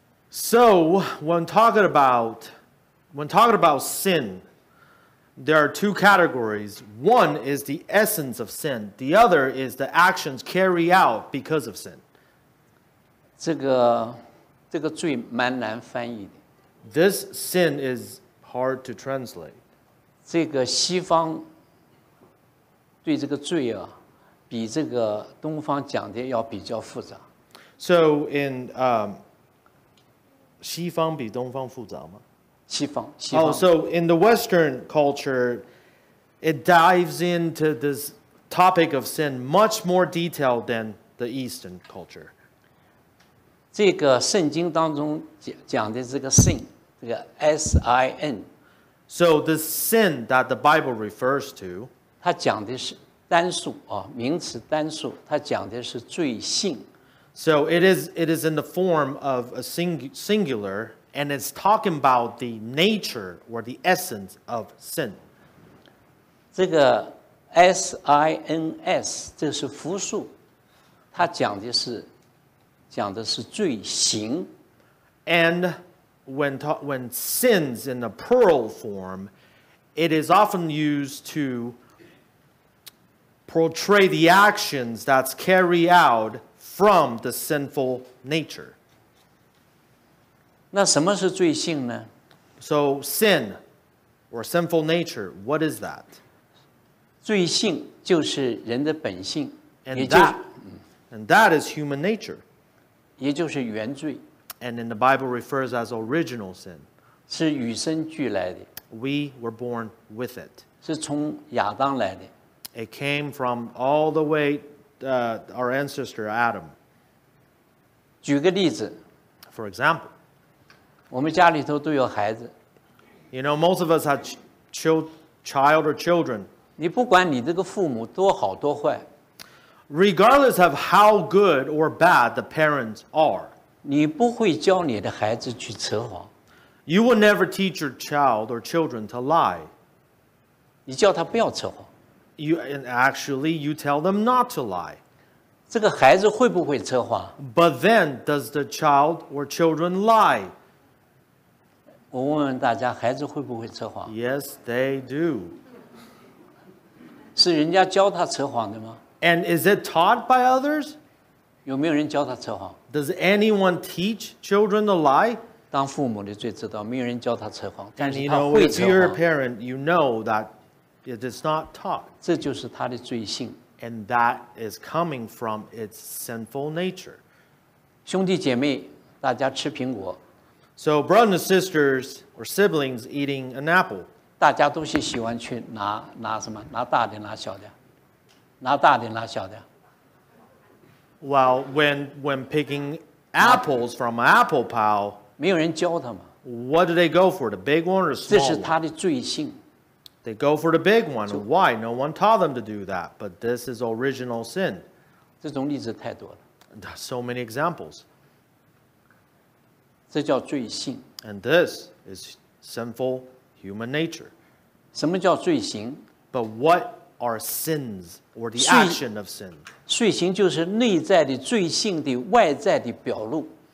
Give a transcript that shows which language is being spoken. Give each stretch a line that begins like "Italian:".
English: So when talking about sin, there are two categories. One is the essence of sin. The other is the actions carried out because of sin.
Chinese: 这个罪蛮难翻译的。
English: This sin is hard to translate.
Chinese: 这个西方对这个罪啊，比这个东方讲的要比较复杂。
English: So in
Chinese: 西方比东方复杂吗？西方
English: so in the Western culture, it dives into this topic of sin much more detailed than the Eastern culture.
Chinese: 这个圣经当中讲的这个 sin, 这个 S-I-N.
English: So the sin that the Bible refers to,
Chinese: 它讲的是单数啊，名词单数，它讲的是罪性。
English: So it is in the form of a singular. And it's talking about the nature or the essence of sin.
Chinese: 这个 S-I-N-S, 这是复数，它讲的是罪行。
English: And when sins in the plural form, it is often used to portray the actions that's carried out from the sinful nature.
Chinese: 那什么是罪性呢?
English: So sin or sinful nature, what is that?
Chinese: 罪性就是人的本性。
English: And that is human nature.
Chinese: 也就是原罪。
English: And in the Bible refers as original sin.
Chinese: 是与生俱来的。
English: We were born with it.
Chinese: 是从亚当来的。
English: It came from all the way our ancestor Adam.
Chinese: 举个例子。
English: For example,
Chinese: 我们家里头都有孩子。
English: You know, most of us have child or children.
Chinese: 你不管你这个父母多好多坏。
English: Regardless of how good or bad the parents are.
Chinese: 你不会教你的孩子去扯谎。
English: You will never teach your child or children to lie.
Chinese: 你叫他不要扯谎。
English: You tell them not to lie.
Chinese: 这个孩子会不会扯谎?
English: But then, does the child or children lie?
Chinese: 我问问大家，孩子会不会扯谎
English: ？Yes, they do.
Chinese: 是人家教他扯谎的吗
English: ？And is it taught by others?
Chinese: 有没有人教他扯谎
English: ？Does anyone teach children to lie?
Chinese: 当父母的最知道，没有人教他扯谎，但是他会扯谎。
English: If you're a parent, you know that it is not taught.
Chinese: 这就是他的罪性。
English: And that is coming from its sinful nature.
Chinese: 兄弟姐妹，大家吃苹果。
English: So brothers and sisters or siblings eating an apple.
Chinese: 大家都是喜欢去拿什么？拿大的，拿小的，拿大的，拿小的。
English: Well, when picking apples from an apple pile,
Chinese: 没有人教他们。
English: What do they go for, the big one or the small one?
Chinese: 这是他的罪性。
English: They go for the big one. Why? No one taught them to do that. But this is original sin.
Chinese: 这种例子太多了。
English: So many examples.
Chinese: 这叫罪性。
English: And this is sinful human nature.
Chinese: 什么叫罪行?
English: But what are sins or the action of sin?
Chinese: 罪行就是内在的罪性的外在的表露。